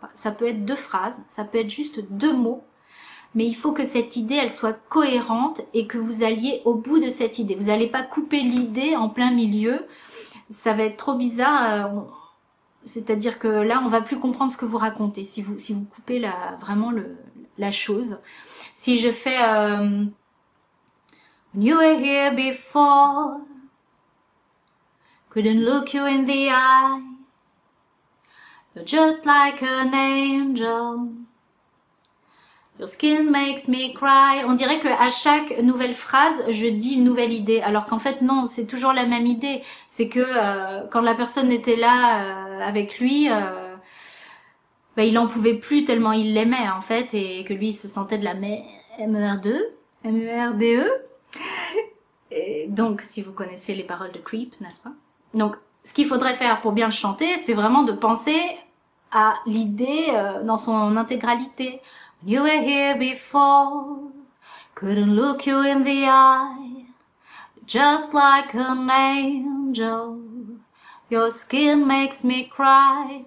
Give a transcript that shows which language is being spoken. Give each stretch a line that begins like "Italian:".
French: Ça peut être deux phrases, ça peut être juste deux mots, mais il faut que cette idée, elle soit cohérente et que vous alliez au bout de cette idée. Vous n'allez pas couper l'idée en plein milieu, ça va être trop bizarre. C'est-à-dire que là, on va plus comprendre ce que vous racontez si vous coupez la chose. Si je fais
English: When you were here before, couldn't look you in the eye, you're just like an angel, your skin makes me cry.
French: On dirait qu'à chaque nouvelle phrase, je dis une nouvelle idée, alors qu'en fait non, c'est toujours la même idée. C'est que quand la personne était là avec lui, ben, il en pouvait plus tellement il l'aimait en fait, et que lui il se sentait de la merde. Et donc, si vous connaissez les paroles de Creep, n'est-ce pas? Donc, ce qu'il faudrait faire pour bien chanter, c'est vraiment de penser à l'idée dans son intégralité.
English: When you were here before, couldn't look you in the eye, just like an angel, your skin makes me cry.